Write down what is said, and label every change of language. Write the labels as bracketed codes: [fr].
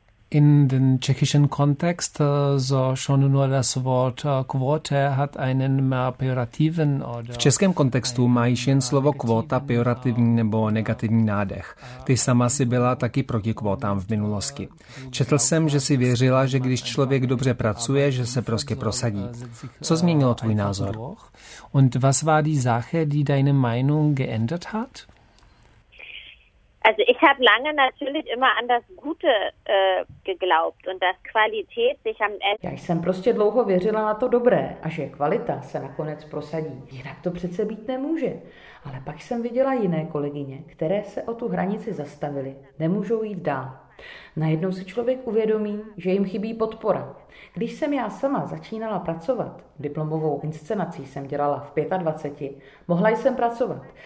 [de] In den tschechischen Kontext, so schon nur das Wort Quote hat einen mehr pejorativen oder... [cs] V českém kontextu má již jen slovo kvota pejorativní nebo negativní nádech. Ty sama si byla taky proti kvotám v minulosti. Četl jsem, že si věřila, že když člověk dobře pracuje, že se prostě prosadí. Co změnilo tvůj názor? [de] Und was war die Sache, die deine Meinung geändert hat? Also ich habe lange natürlich immer an das Gute geglaubt und dass Qualität sich am Ende... [cs] Já jsem prostě dlouho věřila na to dobré a že kvalita se nakonec prosadí. Jinak to přece být nemůže. Ale pak jsem viděla jiné kolegyně, které se o tu hranici zastavily. Nemůžou jít dál. Najednou se člověk uvědomí, že jim chybí podpora. Když jsem já sama začínala pracovat, diplomovou inscenací jsem dělala v 25, mohla jsem pracovat.